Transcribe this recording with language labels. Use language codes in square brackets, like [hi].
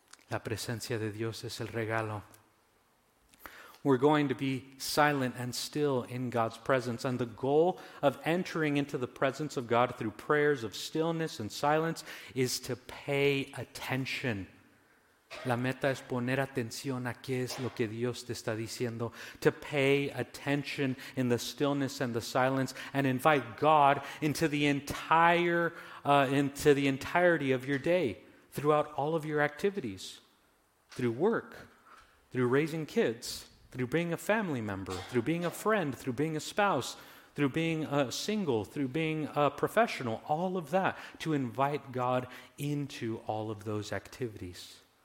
[es] La presencia de Dios es el regalo. [en] We're going to be silent and still in God's presence. And the goal of entering into the presence of God through prayers of stillness and silence is to pay attention. [es] La meta es poner atención a qué es lo que Dios te está diciendo. [en] To pay attention in the stillness and the silence and invite God into the entire into the entirety of your day, throughout all of your activities, through work, through raising kids, through being a family member, through being a friend, through being a spouse, through being single, through being a professional, all of that, to invite God into all of those activities.